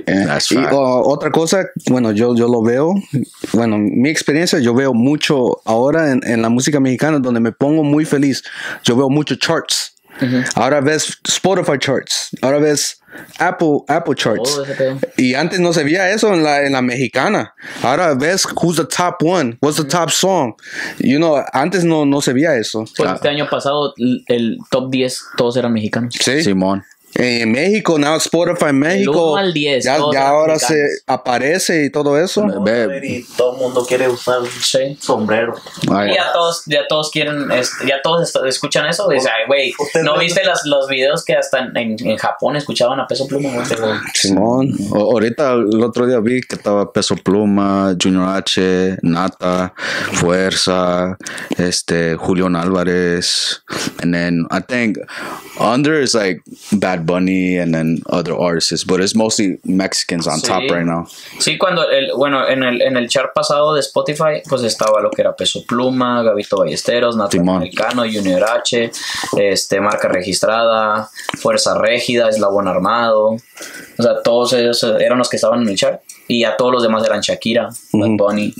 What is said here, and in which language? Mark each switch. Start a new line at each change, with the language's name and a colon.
Spanish: Y otra cosa, bueno, yo lo veo. Bueno, mi experiencia, yo veo mucho ahora en la música mexicana, donde me pongo muy feliz. Yo veo mucho charts. Uh-huh. Ahora ves Spotify charts, ahora ves Apple charts. Y antes no se veía eso en la mexicana. Ahora ves
English: who's the top one, what's the top song. You know,
Spanish: antes no se veía eso. Pues este año pasado el top 10 todos eran mexicanos. Sí, Simón. En México, now Spotify en México. El 1 al 10. Ya ahora se aparece y todo eso. Y todo el mundo quiere usar sombrero. Ay. Y ya todos quieren, ya todos escuchan eso. Dice, ay, güey, ¿no viste los videos que hasta en Japón escuchaban a Peso Pluma? Simón, ahorita el otro día vi que estaba Peso Pluma, Junior H, Nata, Fuerza, Julión Álvarez.
English: And then I think Under is like Bad Bunny and then other artists, but it's mostly Mexicans on top right now.
Spanish: Sí, cuando en el chart pasado de Spotify, pues estaba lo que era Peso Pluma, Gabito Ballesteros, Nati Americano, Junior H, Marca Registrada, Fuerza Régida, Eslabón Armado. O sea, todos ellos eran los que estaban en el chart. Y a todos los demás eran Shakira, Bad Bunny.